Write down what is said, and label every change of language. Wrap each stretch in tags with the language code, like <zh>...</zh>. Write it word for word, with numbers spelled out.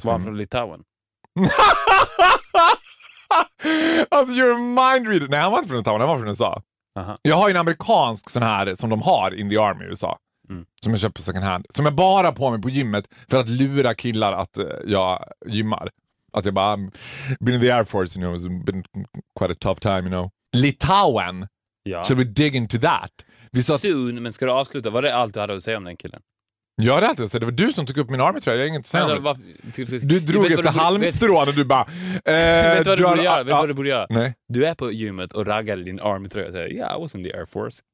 <sv>från... Var från Litauen? Alltså,</sv> <en>you're a mind reader.</en> <sv>Nej, han var inte från Litauen. Han var från U S A. Aha. Jag har ju en amerikansk sån här som de har</sv> <en>in the army</en> <sv>i U S A. Mm. Som jag köper på second hand. Som jag bara på mig på gymmet för att lura killar att uh, jag gymmar. Att jag bara,</sv> <en>been in the Air Force, you know, it's been quite a tough time, you know.</en> <sv>Litauen. Ja.</sv> <en>So we dig into that.</en> <sv>Vi sa</sv> <en>soon,</en> <sv>att... men ska du avsluta? Var det allt du hade att säga om den killen? Jag hade alltid att säga. Det var du som tog upp min arm, tror jag. Jag har inget att säga. Nej, var... Du drog efter halmstrån och du bara... Eh, vet du vad du borde göra? Vet vad du borde göra? Nej. Du är på gymmet och raggar i din armtröja och säger</sv> <en>yeah, I was in the Air Force.</en>